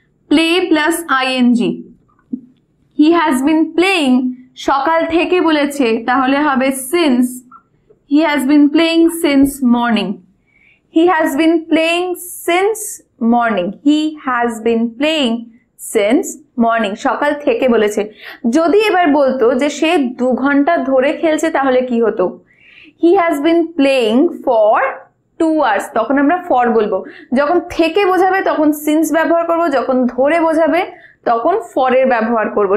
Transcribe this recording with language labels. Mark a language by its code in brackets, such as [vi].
[en] play plus ing, he has been playing, [bn] সকাল থেকে বলেছে তাহলে হবে since, [en] He has been playing since morning, He has been playing since morning. He has been playing since morning. [bn] সকাল থেকে বলেছে। যদি এবার বলতো যে সে দু ঘন্টা ধরে খেলছে তাহলে কি হতো, [en] He has been playing for 2 hours. [bn] তখন আমরা for বলবো। যখন থেকে বোঝাবে তখন since ব্যবহার করব, যখন ধরে বোঝাবে তখন for এর ব্যবহার করব।